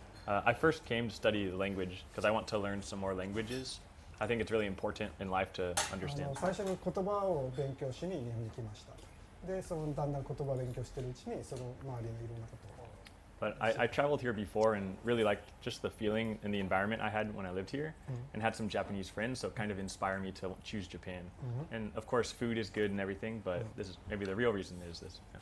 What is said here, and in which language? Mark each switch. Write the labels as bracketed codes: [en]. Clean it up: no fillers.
[en] I first came to study the language because I want to learn some more languages. I think it's really important in life to understand. [ja] 最初に言葉を勉強しに日本に来ました。で、そのだんだん言葉を勉強してるうちに、その周りのいろんなことを。 [en] But I traveled here before and really liked just the feeling and the environment I had when I lived here and had some Japanese friends, so it kind of inspired me to choose Japan. Mm-hmm. And of course, food is good and everything, but this is maybe the real reason is this.